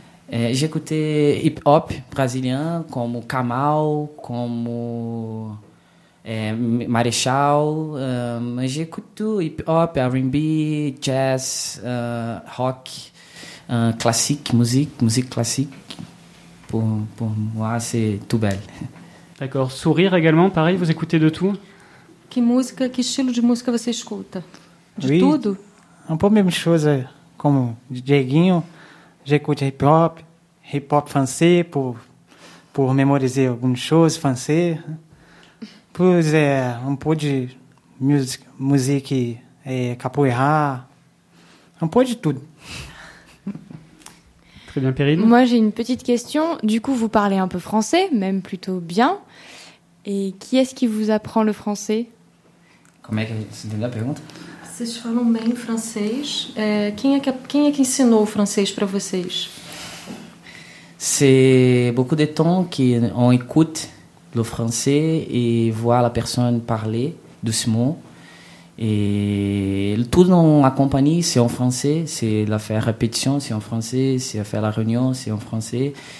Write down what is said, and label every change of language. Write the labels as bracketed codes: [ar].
[fr] J'ai écouté hip-hop brésilien, comme Kamal, comme Marechal, mais j'écoute tout, hip-hop, R&B, jazz, rock... classique, musique classique, pour moi c'est tout belle. D'accord, Sourire également, pareil, vous écoutez de tout? [pt] Que música, que estilo de música você escuta? De tudo? Um pouco mesmo coisa, como Dieguinho, [fr] j'écoute hip-hop français pour mémoriser [pt] algumas coisas [fr] français. [pt] Pois é, um pouco de musique capoeira, um pouco de tudo. [fr] Très bien, Périne. Moi, j'ai une petite question. Du coup, vous parlez un peu français, même plutôt bien. Et qui est-ce qui vous apprend le français? [pt] Como é que se deu a pergunta? Vocês falam bem francês. Quem é que ensinou o francês para vocês? [fr] C'est beaucoup de temps qu'on écoute le français et voit la personne parler doucement. Et tout en compagnie, c'est en français, c'est la faire répétition, c'est en français, c'est faire la réunion, c'est en français.